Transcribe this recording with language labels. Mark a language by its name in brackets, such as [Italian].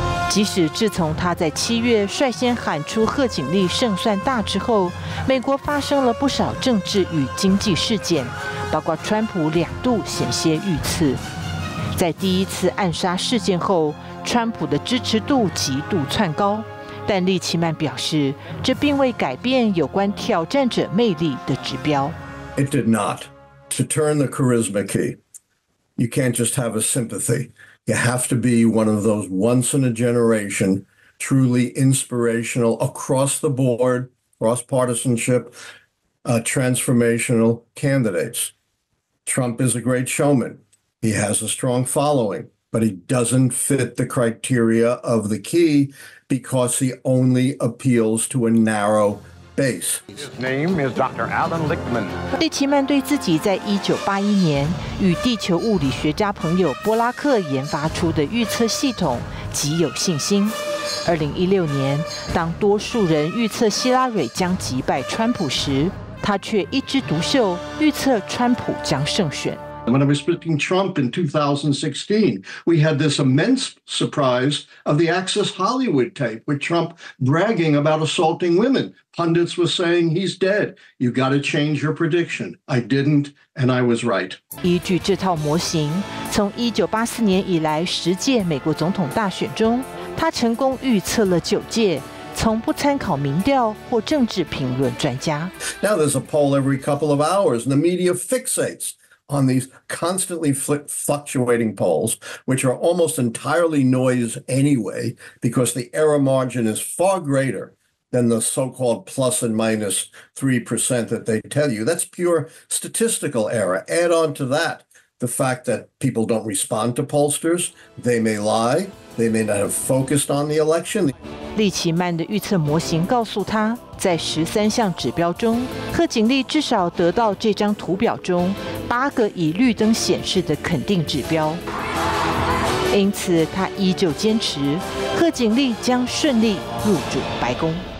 [Chinese] 即使自从他在7月率先喊出贺锦丽胜算大之后，美国发生了不少政治与经济事件，包括川普两度险些遇刺。在第一次暗杀事件后，川普的支持度极度窜高，但利奇曼表示，这并未改变有关挑战者魅力的指标。 [English] It did not. To turn the charisma key, you can't just have a sympathy. You have to be one of those once in a generation, truly inspirational across the board, cross partisanship, transformational candidates. Trump is a great showman. He has a strong following. But he doesn't fit the criteria of the key because he only appeals to a narrow base. His name is Dr. Alan Littman. [Chinese] 利奇曼对自己在1981年与地球物理学家朋友波拉克研发出的预测系统极有信心。 2016年，当多数人预测希拉蕊将击败川普时，他却一枝独秀，预测川普将胜选。 [English] When I was predicting Trump in 2016, we had this immense surprise of the Access Hollywood tape with Trump bragging about assaulting women. Pundits were saying he's dead. You got to change your prediction. I didn't, and I was right. [Chinese] 依据这套模型，从1984年以来10届美国总统大选中，他成功预测了9届，从不参考民调或政治评论专家。 [English] Now there's a poll every couple of hours, and the media fixates on these constantly fluctuating polls, which are almost entirely noise anyway, because the error margin is far greater than the so-called plus and minus 3% that they tell you. That's pure statistical error. Add on to that the fact that people don't respond to pollsters. They may lie. They may not have focused on the election. [Chinese] 利奇曼的预测模型告诉他，在13项指标中，贺锦丽至少得到这张图表中八个以绿灯显示的肯定指标。因此，他依旧坚持，贺锦丽将顺利入主白宫。